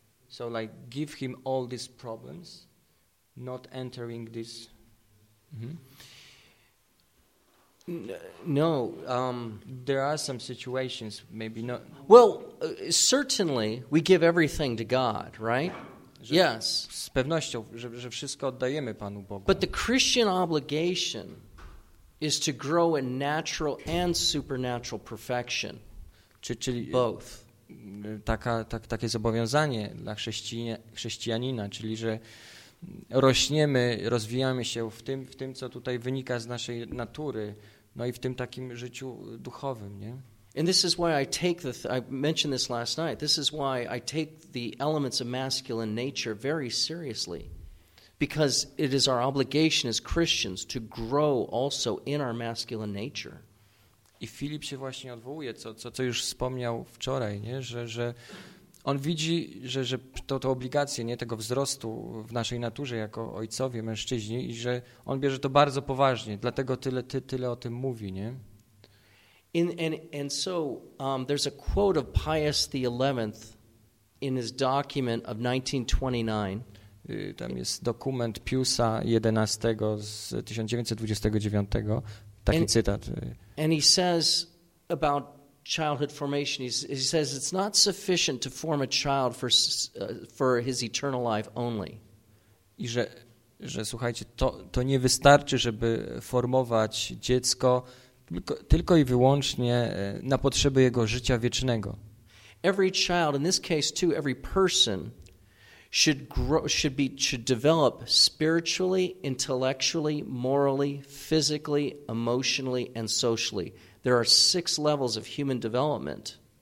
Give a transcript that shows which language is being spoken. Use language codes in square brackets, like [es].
[en] So, like, give him all these problems, not entering this. No, there are some situations, maybe not. Well, certainly we give everything to God, right? Yes. [pl] Z pewnością, że wszystko oddajemy Panu Bogu. [en] But the Christian obligation is to grow in natural and supernatural perfection. [pl] Czyli [en] both. [pl] Takie zobowiązanie dla chrześcijanina, czyli że rośniemy, rozwijamy się w tym, co tutaj wynika z naszej natury. No i w tym takim życiu duchowym, nie? [en] And this is why I take I mentioned this last night. This is why I take the elements of masculine nature very seriously, because it is our obligation as Christians to grow also in our masculine nature. [pl] I Filip się właśnie odwołuje, co już wspomniał wczoraj, nie? Że on widzi, że to obligacje, nie, tego wzrostu w naszej naturze jako ojcowie, mężczyźni, i że on bierze to bardzo poważnie, dlatego tyle o tym mówi, nie? [en] And so there's a quote of Pius the 11th in his document of 1929. [pl] Tam jest dokument Piusa 11 z 1929, taki cytat. [en] And he says about childhood formation. He says it's not sufficient to form a child for his eternal life only. [pl] I że słuchajcie, to nie wystarczy, żeby formować dziecko tylko i wyłącznie na potrzeby jego życia wiecznego. [en] Every child, in this case too, every person should develop spiritually, intellectually, morally, physically, emotionally, and socially. There are six levels of human development.